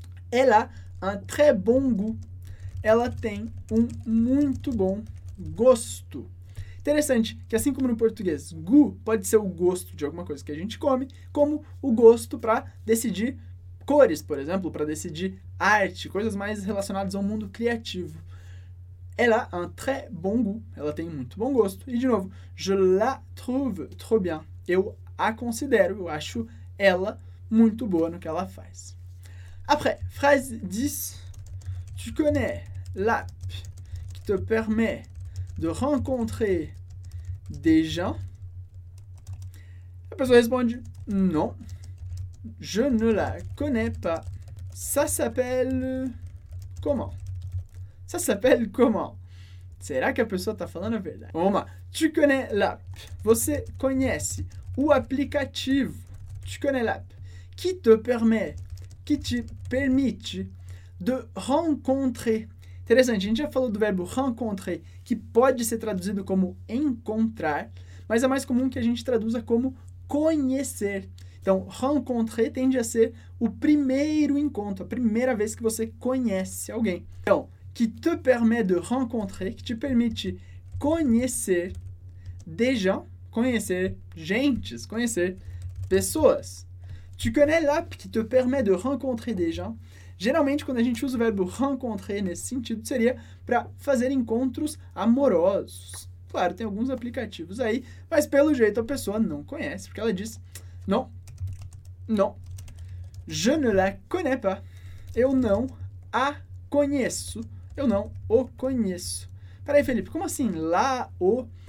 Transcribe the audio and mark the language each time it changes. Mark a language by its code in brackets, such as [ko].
[fr] Elle a un très bon goût. [pt] Ela tem um muito bom gosto. Interessante que assim como no português, gu pode ser o gosto de alguma coisa que a gente come, como o gosto para decidir cores, por exemplo, para decidir arte, coisas mais relacionadas ao mundo criativo. [fr] Elle a un très bon goût. [pt] Ela tem muito bom gosto. E de novo, [fr] je la trouve trop bien. [pt] Eu a considero, eu acho ela muito boa no que ela faz. [fr] Après, phrase 10. Tu connais l'app qui te permet de rencontrer des gens? La personne répond non, je ne la connais pas. Ça s'appelle comment? Ça s'appelle comment? C'est là que la personne t'a [pt] falando a verdade. [fr] Oma, tu connais l'app. [pt] Você conhece o aplicativo. [fr] Tu connais l'app qui te permet, qui te permet de rencontrer. [pt] Interessante, a gente já falou do verbo rencontrer, que pode ser traduzido como encontrar, mas é mais comum que a gente traduza como conhecer. Então, rencontrer tende a ser o primeiro encontro, a primeira vez que você conhece alguém. Então, [fr] qui te permet de rencontrer, [pt] que te permite conhecer [fr] des gens, [pt] conhecer gentes, conhecer pessoas. [fr] Tu connais l'app qui te permet de rencontrer des gens? [pt] Geralmente, quando a gente usa o verbo rencontrer nesse sentido, seria para fazer encontros amorosos. Claro, tem alguns aplicativos aí, mas pelo jeito a pessoa não conhece, porque ela diz, [fr] non, non, je ne la connais pas. [pt] Eu não a conheço, eu não o conheço. Peraí, Felipe, como assim? La, o...